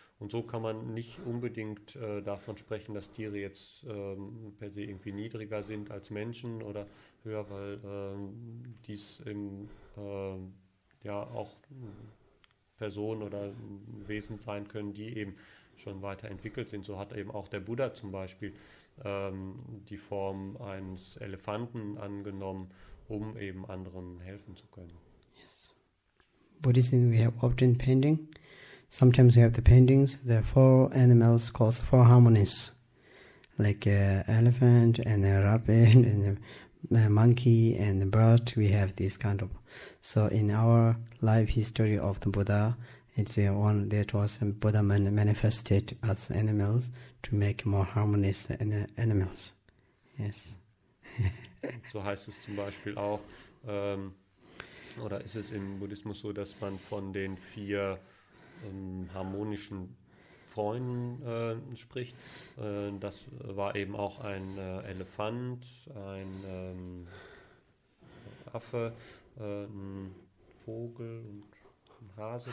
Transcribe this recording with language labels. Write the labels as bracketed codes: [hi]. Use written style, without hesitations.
[de] Und so kann man nicht unbedingt davon sprechen, dass Tiere jetzt per se irgendwie niedriger sind als Menschen oder höher, weil dies im, ja auch Personen oder Wesen sein können, die eben schon weiterentwickelt sind. So hat eben auch der Buddha zum Beispiel die Form eines Elefanten angenommen, um eben anderen helfen zu können. [en] Yes. Buddhism, we have often painting. Sometimes we have the paintings, the four animals called four harmonies, like elephant and a rabbit and a monkey and a bird, we have this kind of. So in our life history of the Buddha, it's the one that was Buddha manifested as animals to make more harmonious animals. Yes. [de] So heißt es zum Beispiel auch, oder ist es im Buddhismus so, dass man von den vier harmonischen Freunden spricht. Das war eben auch ein Elefant, ein Affe, ein Vogel und ein Hase.